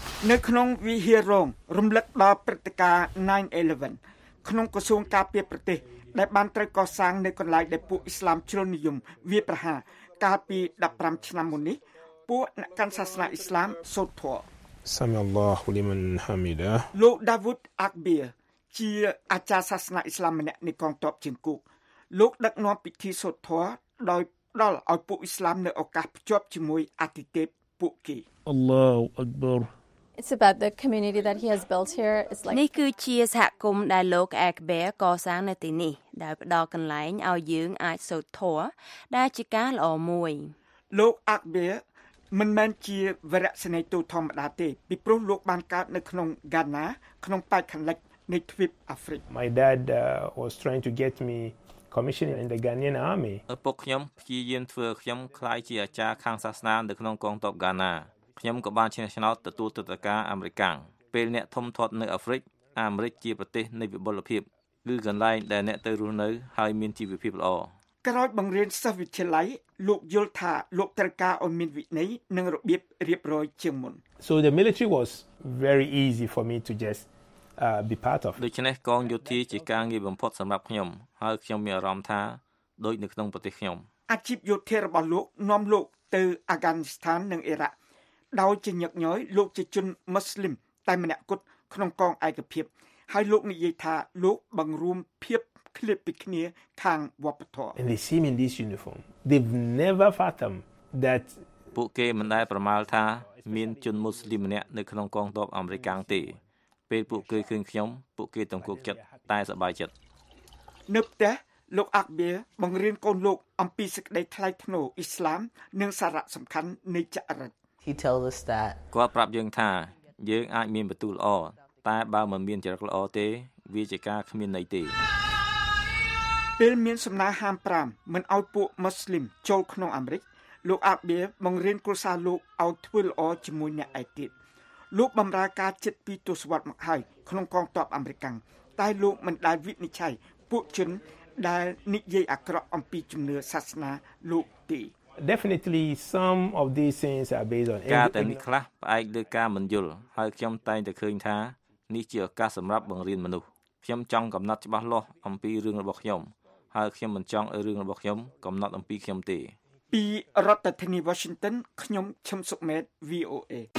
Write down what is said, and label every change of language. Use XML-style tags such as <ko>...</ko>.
<km>នៅក្នុងវិហាររោងរំលឹកដល់ព្រឹត្តិការណ៍ 9/11 ក្នុងក្រសួងការពារប្រទេសដែលបានត្រូវកសាងនៅកន្លែងដែលពួកអ៊ីស្លាមជ្រុលនិយមវាប្រហារកាលពី15ឆ្នាំមុននេះពួកអ្នកកាន់សាសនាអ៊ីស្លាមសូត្រធម៌</km> <ar>សាមីអល់ឡោះលីមានហាមីដា</ar> <km>លោកដាវូដអាក់បៀជាអាចារ្យសាសនាអ៊ីស្លាមម្នាក់នៃកងទ័ពជើងគោកលោកដឹកនាំពិធីសូត្រធម៌ដោយផ្ដល់ឲ្យពួកអ៊ីស្លាមនៅឱកាសភ្ជាប់ជាមួយអាទិទេពពួកគេ</km> <ar>អល់ឡោះអាក់បៀ</ar> <en>It's about the community that he has built here. It's like</en> <km>នេះគឺជាសហគមន៍ដែលលោកអាក់បែកសាងនៅទីនេះដែលផ្ដល់កន្លែងឲ្យយើងអាចសូត្រធម៌ដែលជាការល្អមួយ លោកអាក់បែមិនមែនជាវរៈស្នេហ៍ទូធម្មតាទេពីព្រោះលោកបានកើតនៅក្នុងហ្គាណាក្នុងប៉ែកខាងលិចនៃទ្វីបអាហ្វ្រិក</km> <en>My dad was trying to get me commissioned in the Ghanaian army</en> <km>ពួកខ្ញុំព្យាយាមធ្វើខ្ញុំក្លាយជាអាចារ្យខាងសាសនានៅក្នុងកងទ័ពហ្គាណាខ្ញុំក៏បានឈ្នះឆ្នោតទទួលទទួលការអាមេរិកពេលអ្នកធំធាត់នៅអាហ្វ្រិកអាមេរិកជាប្រទេសនៃវិបុលភាពឬកន្លែងដែលអ្នកទៅរស់នៅហើយមានជីវភាពល្អ ក្រោយបង្រៀនសិស្សវិទ្យាល័យលោកយល់ថាលោកត្រូវការឲ្យមានវិន័យនិងរបៀបរៀបរយជាងមុន</km> <en>So the military was very easy for me to just be part of</en> <km>ដូច្នេះកងយោធាជាការងារបំផុតសម្រាប់ខ្ញុំហើយខ្ញុំមានអារម្មណ៍ថាដូចនៅក្នុងប្រទេសខ្ញុំ អាជីពយោធារបស់លោកនាំលោកទៅអាហ្គានីស្ថាននិងអ៊ីរ៉ាក់ដោយជាញឹកញយលោកជាជនមូស្លីមតែម្នាក់គត់ក្នុងកងឯកភាពហើយលោកនិយាយថាលោកបង្រួមភាពឃ្លាតពីគ្នាខាងវប្បធម៌</km> <en>And they see me in this uniform they've never fathom that</en> <km>ពួកគេមិនដែលប្រមាថាមានជនមូស្លីមម្នាក់នៅក្នុងកងទ័ពអាមេរិកទេពេលពួកគេឃើញខ្ញុំពួកគេទាំងគួរចិត្តតែសប្បាយចិត្ត នៅផ្ទះលោកអាក់បៀបង្រៀនកូនលោកអំពីសេចក្តីថ្លៃថ្នូរអ៊ីស្លាមនិងសារៈសំខាន់នៃចរិត</km> <en>He told us that</en> <km>គាត់ប្រាប់យើងថាយើងអាចមានបន្ទូល្អតែបើមិនមានចរិតល្អទេវាជាការគ្មានន័យទេ ពេលមានសំណើហាម5មិនអោយពួកមូស្លីមចូលក្នុងអាមេរិកលោកអាប៊ីបង្រៀនគ្រូសាស្ត្រលោកឲ្យធ្វើល្អជាមួយអ្នកឯទៀតលោកបម្រើការចិត្ត2ទសវត្សមកហើយក្នុងកងទ័ពអាមេរិកតែលោកមិនដែលវិនិច្ឆ័យពួកជនដែលនិយាយអាក្រក់អំពីជំនឿសាសនាលោកទី</km> <en>Definitely some of these things are based on</en> <km>ការតែនេះខ្លះផ្អែកលើការមិនយល់ហើយខ្ញុំតែងតែឃើញថានេះជាឱកាសសម្រាប់បង្រៀនមនុស្សខ្ញុំចង់កំណត់ច្បាស់លាស់អំពីរឿងរបស់ខ្ញុំហើយខ្ញុំមិនចង់ឲ្យរឿងរបស់ខ្ញុំកំណត់អំពីខ្ញុំទេ ពីរដ្ឋធានី Washington ខ្ញុំឈឹមសុខមេត VOA</km>